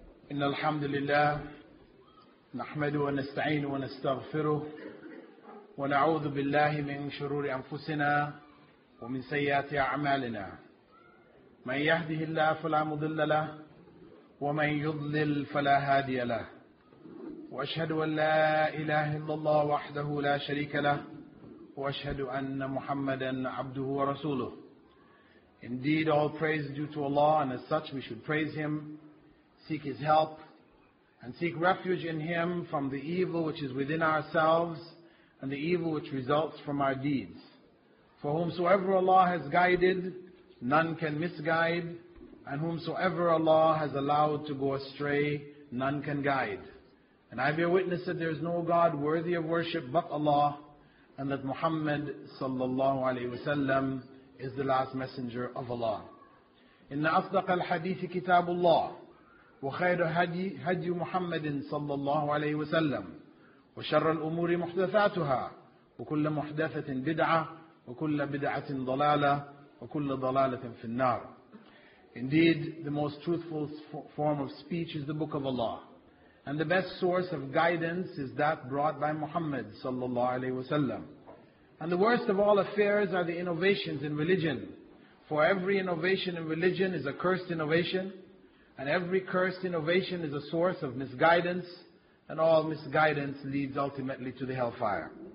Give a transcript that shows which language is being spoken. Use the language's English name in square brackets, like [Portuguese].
[Arabic] إن الحمد لله نحمده ونستعينه ونستغفره ونعوذ بالله من شرور أنفسنا ومن سيئات أعمالنا من يهده الله فلا مضل له ومن يضلل فلا هادي له وأشهد أن لا إله إلا الله وحده لا شريك له وأشهد أن محمدا عبده ورسوله. [English] Indeed, all praise due to Allah, and as such we should praise Him, seek His help, and seek refuge in Him from the evil which is within ourselves and the evil which results from our deeds. For whomsoever Allah has guided, none can misguide, and whomsoever Allah has allowed to go astray, none can guide. And I bear witness that there is no God worthy of worship but Allah, and that Muhammad sallallahu alayhi wa sallam is the last messenger of Allah. [Arabic] Inna asdaq al-hadithi kitabullah. وخير هدي هدي محمد صلى الله عليه وسلم وشر الأمور محدثاتها وكل محدثة بدعة وكل بدعة ضلالة وكل ضلالة في النار. [English] Indeed, the most truthful form of speech is the Book of Allah, and the best source of guidance is that brought by Muhammad صلى الله عليه وسلم. And the worst of all affairs are the innovations in religion, for every innovation in religion is a cursed innovation, and every cursed innovation is a source of misguidance, and all misguidance leads ultimately to the hellfire.